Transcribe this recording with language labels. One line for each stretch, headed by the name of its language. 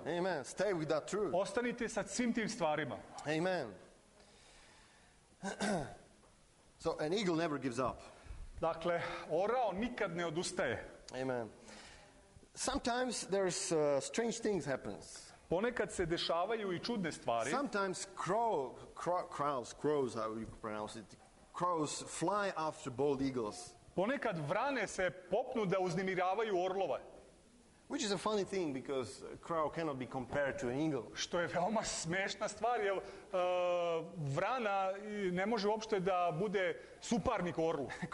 English: Amen. Stay with that truth.
Serbian: Ostanite sa svim tim stvarima.
English: Amen. So an eagle never gives up.
Serbian: Dakle, orao nikad ne odustaje.
English: Amen. Sometimes there's strange things happens.
Serbian: Ponekad se dešavaju i čudne stvari.
English: Sometimes crows, how you pronounce it, crows fly after bald eagles.
Serbian: Ponekad vrane se popnu da uznemiravaju orlove.
English: Which is a funny thing because a crow cannot be compared to an eagle.
Serbian: Što je veoma smešna stvar, jer vrana ne može uopšte da bude suparnik orlu.